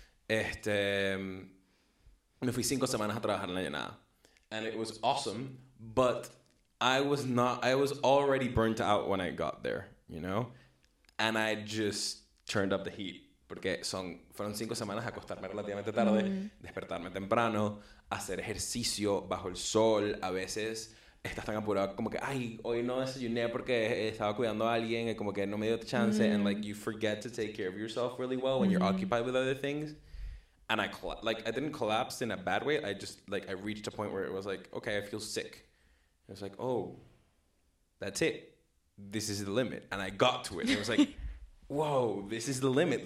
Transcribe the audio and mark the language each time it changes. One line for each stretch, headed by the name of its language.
Spanish: Me fui 5 semanas a trabajar en la llana.
English: And it was awesome, but I was already burnt out when I got there, you know? And I just turned up the heat.
Spanish: Porque fueron 5 semanas, acostarme relativamente tarde, despertarme temprano, hacer ejercicio bajo el sol. A veces estás tan apurado como que, ay, hoy no desayuné porque estaba cuidando a alguien y como que no me dio chance.
English: And like, you forget to take care of yourself really well when you're occupied with other things. And I didn't collapse in a bad way. I just, like, I reached a point where it was like, okay, I feel sick. It was like, oh, that's it. This is the limit. And I got to it. It was like... Whoa, this is the limit.